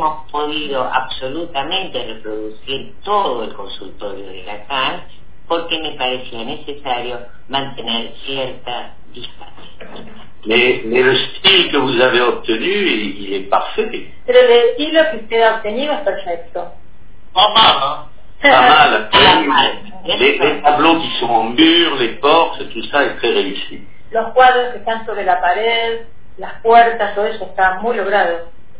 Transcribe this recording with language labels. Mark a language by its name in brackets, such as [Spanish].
[Spanish] Podido absolutamente reproducir todo el consultorio de Lacan porque me parecía necesario mantener cierta distancia. [French] Mais le style que vous avez obtenu, il est parfait. [Spanish] Pero el estilo que usted ha obtenido es perfecto. [French] Pas mal. Les tableaux qui sont en mur, les portes, tout ça est très réussi. [Spanish] Los cuadros que están sobre la pared, las puertas, todo eso está muy logrado.